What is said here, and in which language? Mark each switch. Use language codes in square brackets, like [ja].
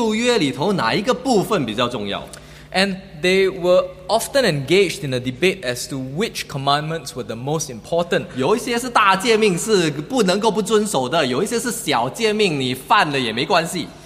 [zh] 所以他们常常的在那里争辩哪一条诫命比较重要，也就是说旧约里头哪一个部分比较重要。 [en] And they were often engaged in a debate as to which commandments were the most important. [zh] 有一些是大诫命是不能够不遵守的，有一些是小诫命你犯了也没关系。